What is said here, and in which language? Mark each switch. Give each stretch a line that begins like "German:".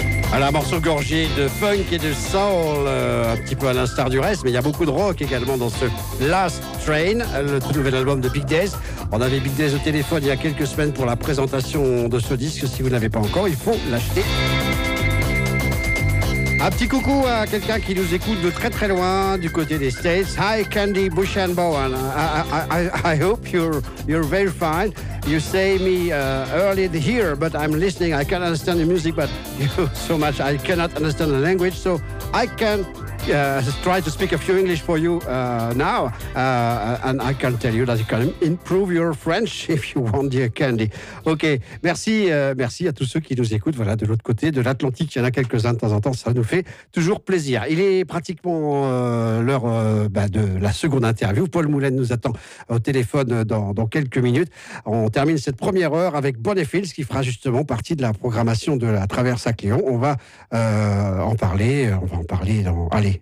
French: Un morceau gorgé de funk et de soul, un petit peu à l'instar du reste, mais il y a beaucoup de rock également dans ce Last Train, le tout nouvel album de Big Days. On avait Big Days au téléphone il y a quelques semaines pour la présentation de ce disque. Si vous ne l'avez pas encore, il faut l'acheter. Un petit coucou à quelqu'un qui nous écoute de très très loin, du côté des States.
English: Hi Candy Bushenbowen, I hope you're very fine. You say me early here, but I'm listening. I can't understand the music, but you so much. I cannot understand the language, so I can try to speak a few English for you now. And I can tell you that you can improve your French if you want the candy.
French: OK, merci, merci à tous ceux qui nous écoutent. Voilà, de l'autre côté de l'Atlantique, il y en a quelques-uns de temps en temps. Ça nous fait toujours plaisir. Il est pratiquement l'heure de la seconde interview. Paul Moulin nous attend au téléphone dans quelques minutes. On termine cette première heure avec Bonnefil, ce qui fera justement partie de la programmation de la Traverse à Cléon. On va en parler dans... Allez,